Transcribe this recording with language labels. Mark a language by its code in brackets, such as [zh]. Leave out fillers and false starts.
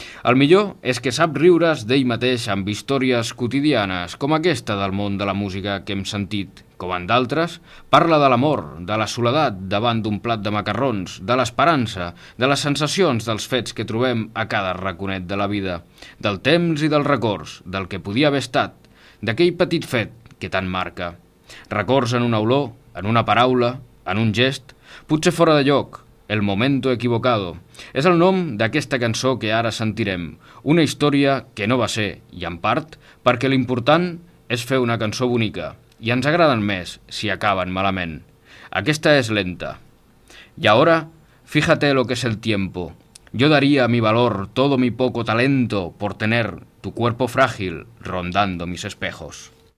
[ca] El millor és que sap riure's d'ell mateix amb històries quotidianes, com aquesta del món de la música que hem sentit. Com en d'altres, parla de l'amor, de la soledat davant d'un plat de macarrons, de l'esperança, de les sensacions dels fets que trobem a cada raconet de la vida, del temps i dels records, del que podia haver estat, d'aquell petit fet que tant marca. Records en una olor, en una paraula, en un gest, potser fora de lloc, El Momento Equivocado. És el nom d'aquesta cançó que ara sentirem, una història que no va ser, i en part, perquè l'important és fer una cançó bonica. I ens agraden més si acaben malament. Aquesta és lenta. [es] Y ahora, fíjate lo que es el tiempo. Yo daría mi valor, todo mi poco talento, por tener tu cuerpo frágil rondando mis espejos.